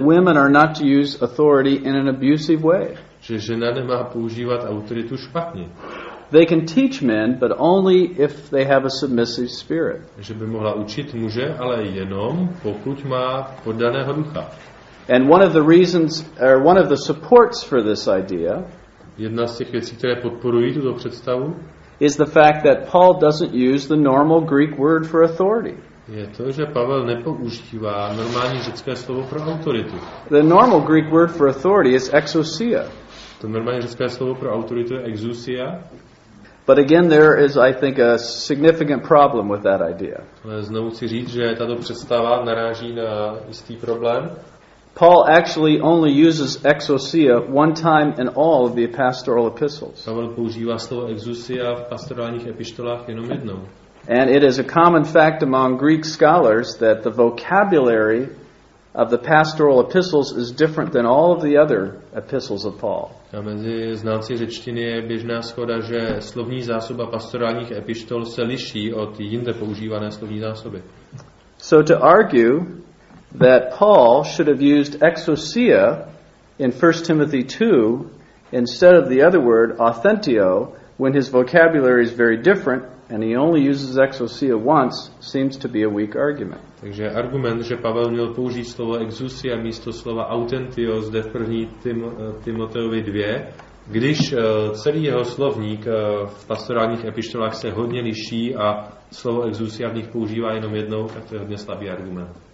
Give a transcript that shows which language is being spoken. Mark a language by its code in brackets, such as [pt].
[en] women are not to use authority in an abusive way. [cs] Že žena nemá používat autoritu špatně. [en] They can teach men, but only if they have a submissive spirit. [cs] Že by mohla učit muže, ale jenom pokud má poddaného ducha. [en] And one of the reasons, or one of the supports for this idea, [cs] jedna z těch věcí, které podporují tuto představu, [en] is the fact that Paul doesn't use the normal Greek word for authority. [cs] Je to, že Pavel nepoužívá normální řecké slovo pro autoritu. [en] The normal Greek word for authority is exousia. [cs] To normální řecké slovo pro autoritu je exousia. [en] But again, there is, I think, a significant problem with that idea. [cs] Ale znovu chci říct, že tato představa naráží na jistý problém. [en] Paul actually only uses exousia one time in all of the pastoral epistles. [cs] Pavel používá slovo exousia v pastorálních epištolách jenom jednou. [en] And it is a common fact among Greek scholars that the vocabulary of the pastoral epistles is different than all of the other epistles of Paul. [cs] A mezi znalci řečtiny je běžná shoda, že slovní zásoba pastorálních epištol se liší od jinde používané slovní zásoby. [en] So to argue that Paul should have used exousia in 1 Timothy 2 instead of the other word authentio when his vocabulary is very different and he only uses exousia once seems to be a weak argument. [cs] Takže argument, že Pavel měl použít slovo exousia místo slova authentio zde v 1. Timoteovi 2, Když celý jeho slovník v pastorálních epištolách se hodně liší a slovo exousia v nich používá jenom jednou, tak to je hodně slabý argument.